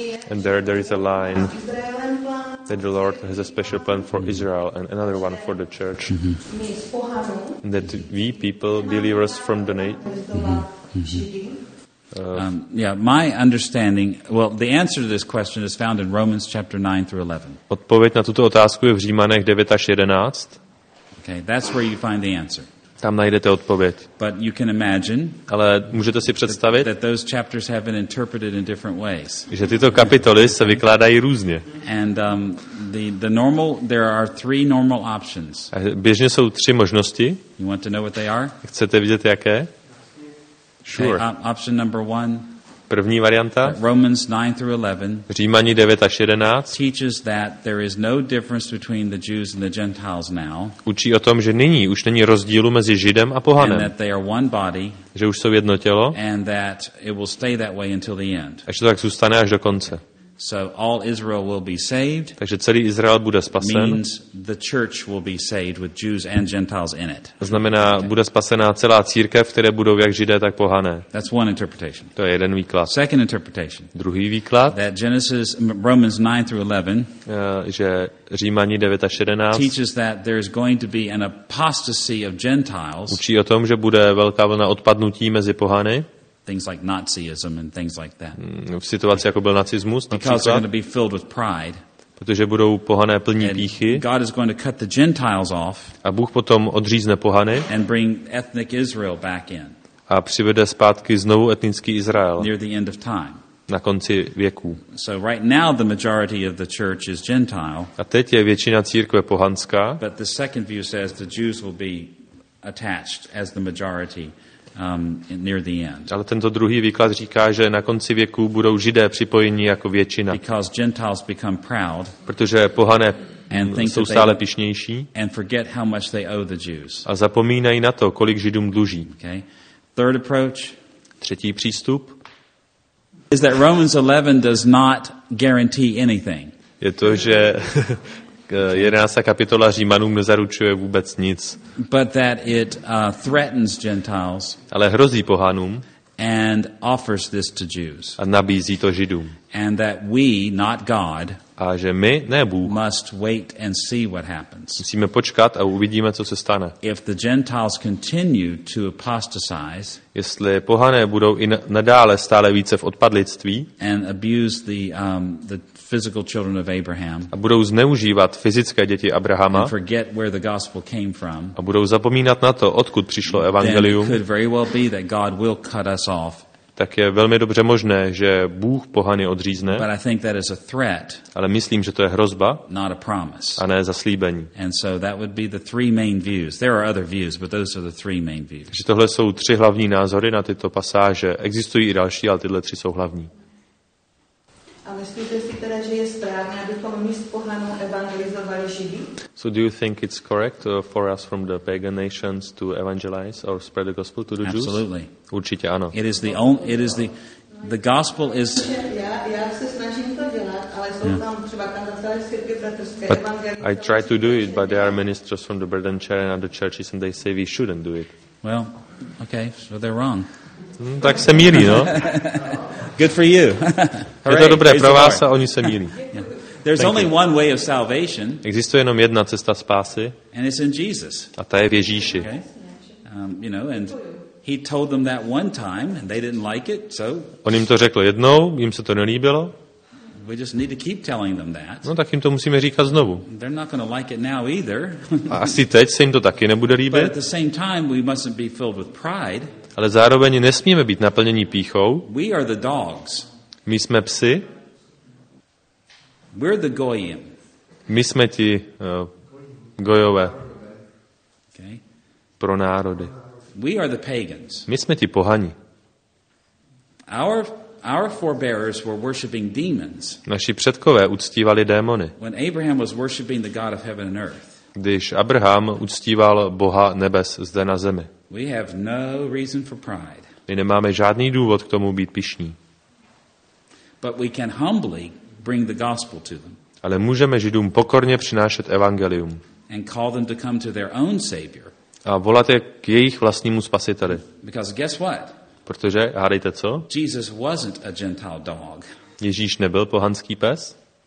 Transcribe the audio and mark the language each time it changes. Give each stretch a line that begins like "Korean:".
English: And there is a line that the Lord has a special plan for Israel and another one for the church. Mm-hmm. That we people, believers from the nation. My understanding, well, the answer to this question is found in Romans chapter 9 through 11.
Czech: Odpověď na tuto otázku je v Římanech 9 až 11.
English: Okay, that's where you find the answer.
Czech: Tam najdete odpověď.
English: But you can imagine,
Czech: ale můžete si představit,
English: that those chapters have been interpreted in different ways.
Czech: Že tyto kapitoly se vykládají různě.
English: And the normal, there are three normal options.
Czech: A běžně jsou tři možnosti.
English: You want to know what they are?
Czech: Chcete vidět, jaké?
English: Sure. Okay, option number one.
Czech: První varianta.
English: Romans 9 through 11.
Czech: Římani 9 až 11.
English: Teaches that there is no difference between the Jews and the Gentiles now.
Czech: Učí o tom, že nyní už není rozdílu mezi Židem a pohanem.
English: And that they are one body.
Czech: Že už jsou jedno tělo.
English: And that it will stay that way until the end.
Czech: A že to tak zůstane až do konce.
English: So all Israel will be saved.
Czech: Takže celý Izrael bude spasen.
English: Means the church will be saved with Jews and Gentiles in it.
Czech: Znamená, bude spasená celá církev, které budou jak Židé, tak pohané.
English: That's one interpretation.
Czech: To je jeden výklad.
English: Second interpretation.
Czech: Druhý výklad.
English: That Genesis Romans 9 through 11.
Czech: Že Římani 9 až 11.
English: Teaches that there is going to be an apostasy of Gentiles.
Czech: Učí o tom, že bude velká vlna odpadnutí mezi pohany.
English: Things like Nazism and things like that.
Czech: V situaci, jako byl nacismus, například.
English: Because they're going to be filled with pride.
Czech: Protože budou pohané plní pýchy.
English: God is going to cut the Gentiles off.
Czech: A Bůh potom odřízne pohany.
English: And bring ethnic Israel back in.
Czech: A přivede zpátky znovu etnický Izrael.
English: Near the end of time.
Czech: Na konci věku.
English: So right now the majority of the church is Gentile.
Czech: A teď je většina církve pohanská.
English: But the second view says the Jews will be attached as the majority. Near the end.
Czech: Ale tento druhý výklad říká, že na konci věku budou Židé připojeni jako většina.
English: Because Gentiles become proud.
Czech: Protože pohané jsou stále pyšnější.
English: And forget how much they owe the Jews.
Czech: A zapomínají na to, kolik Židům dluží.
English: Okay. Third approach.
Czech: Třetí přístup.
English: is that Romans 11 does not guarantee anything.
Czech: Je to, že 11. kapitola Římanům nezaručuje vůbec nic.
English: But that it threatens Gentiles.
Czech: Ale hrozí pohanům.
English: And offers this to Jews.
Czech: A nabízí to Židům.
English: And that we, not God,
Czech: a že my, ne Bůh,
English: must wait and see what happens.
Czech: Musíme počkat a uvidíme, co se stane.
English: If the Gentiles continue to apostatize,
Czech: jestli pohané budou i nadále stále více v odpadlictví,
English: and abuse the physical children of Abraham,
Czech: a budou zneužívat fyzické děti Abrahama,
English: and forget where the gospel came from,
Czech: a budou zapomínat na to, odkud přišlo evangelium,
English: then it could very well be that God will cut us off.
Czech: Tak je velmi dobře možné, že Bůh pohany odřízne.
English: But I think that is a threat,
Czech: ale myslím, že to je hrozba,
English: not a promise,
Czech: a ne zaslíbení.
English: And so that would be the three main views. There are other views, but those are the three main views.
Czech: Že tohle jsou tři hlavní názory na tyto pasáže. Existují i další, ale tyhle tři jsou hlavní. A myslíte si teda, že je správné, abychom míst pohanů evangelizovali Židy?
English: So do you think it's correct for us from the pagan nations to evangelize or spread the gospel to the Absolutely. Jews? Absolutely.
Czech: Určitě ano.
English: It is the only, it is the gospel is...
Czech: Já se snažím to dělat, ale jsou tam třeba tam na celé světě bratrské evangelizace.
English: I try to do it, but there are ministers from the brethren chair and other churches and they say we shouldn't do it. Well, okay, so they're wrong.
Czech: Tak se mýlí, no.
English: Good for you.
Czech: Je to dobré pro vás a oni se mýlí.
English: There's only one way of salvation.
Czech: Existuje jenom jedna cesta spásy.
English: And it's in Jesus.
Czech: A ta je v Ježíši.
English: You know, and he told them that one time and they didn't like it, so.
Czech: On jim to řekl jednou, jim se to nelíbilo.
English: We just need to keep telling them that.
Czech: No tak jim to musíme říkat znovu.
English: They're not going to like it now either.
Czech: A asi teď se jim to taky nebude líbit.
English: But at the same time we mustn't be filled with pride.
Czech: Ale zároveň nesmíme být naplnění pýchou.
English: We are the dogs.
Czech: My jsme psi.
English: We're the goyim.
Czech: My jsme ti gojové. Okay. Pro národy.
English: We are the pagans.
Czech: My jsme ti pohani.
English: Our forebears were worshiping demons.
Czech: Naši předkové uctívali démony.
English: When Abraham was worshiping the God of heaven and earth.
Czech: Když Abraham uctíval Boha nebes zde na zemi.
English: We have no reason for pride.
Czech: My nemáme žádný důvod k tomu být pyšní.
English: But we can humbly bring the gospel to them.
Czech: Ale můžeme Židům pokorně přinášet evangelium.
English: And call them to come to their own savior.
Czech: A volat je k jejich vlastnímu spasiteli.
English: Because guess what?
Czech: Protože hádejte co?
English: Jesus wasn't a gentile dog.
Czech: Ježíš nebyl pohanský pes.